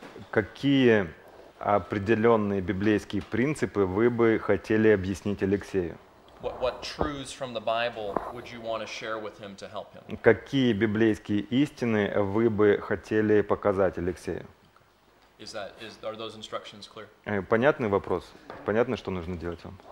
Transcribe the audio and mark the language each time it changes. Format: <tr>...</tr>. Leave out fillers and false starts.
<ru>Какие определенные библейские принципы вы бы хотели объяснить Алексею?</ru> <en>What truths from the Bible would you want to share with him to help him?</en> <ru>Какие библейские истины вы бы хотели показать Алексею?</ru> <en>Are those instructions clear?</en> <ru>Понятный вопрос. Понятно, что нужно делать вам.</ru>